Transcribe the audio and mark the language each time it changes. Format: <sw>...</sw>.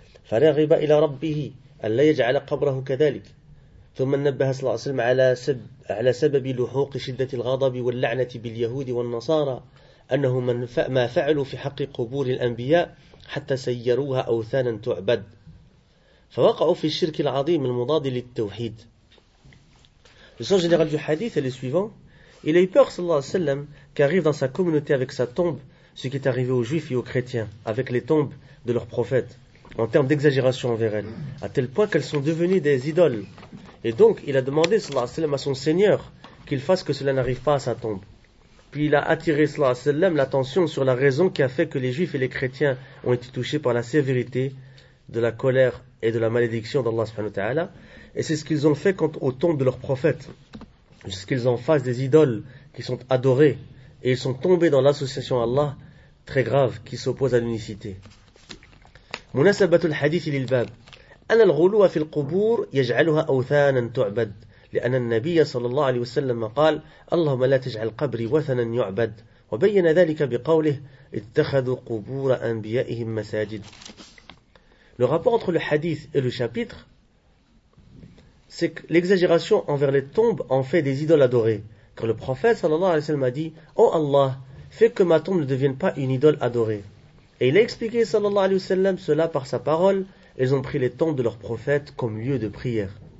<ar>فرغب إلى ربه ألا يجعل قبره كذلك ثم نبه صلى الله عليه وسلم على سبب لحوق شدة الغضب واللعنة باليهود والنصارى أنه ما فعلوا في حق قبور الأنبياء حتى سيروها أوثانا تعبد فوقعوا في الشرك العظيم المضاد للتوحيد.</ar> <fr>Le sens général du hadith est le suivant. Il a eu peur,</fr> <ar>صلى الله عليه وسلم,</ar> <fr>qu'arrive dans sa communauté avec sa tombe ce qui est arrivé aux juifs et aux chrétiens avec les tombes de leurs prophètes, en termes d'exagération envers elles, à tel point qu'elles sont devenues des idoles. Et donc, il a demandé,</fr> <ar>sallallahu alayhi wa sallam,</ar> <fr>à son Seigneur qu'il fasse que cela n'arrive pas à sa tombe. Puis il a attiré,</fr> <ar>sallallahu alayhi wa sallam,</ar> <fr>l'attention sur la raison qui a fait que les juifs et les chrétiens ont été touchés par la sévérité de la colère et de la malédiction d'Allah,</fr> <ar>subhanahu wa ta'ala.</ar> <fr>Et c'est ce qu'ils ont fait quant aux tombes de leurs prophètes. C'est ce qu'ils en fassent des idoles qui sont adorées. Et ils sont tombés dans l'association à Allah très grave qui s'oppose à l'unicité.</fr> <ar>مناسبة الحديث للباب أن الغلو في القبور يجعلها أوثانا تعبد لأن النبي صلى الله عليه وسلم قال اللهم لا تجعل قبري وثنا يعبد وبين ذلك بقوله اتخذوا قبور أنبيائهم مساجد.</ar> <fr>Le rapport entre le hadith et le chapitre, c'est que l'exagération envers les tombes en fait des idoles adorées, car le prophète</fr> <ar>صلى الله عليه وسلم</ar> <fr>a dit Oh Allah, fais que ma tombe ne devienne pas une idole adorée. Et il a expliqué,</fr> <ar>sallallahu alayhi wa sallam,</ar> <fr>cela par sa parole. Ils ont pris les tombes de leurs prophètes comme lieu de prière.</fr>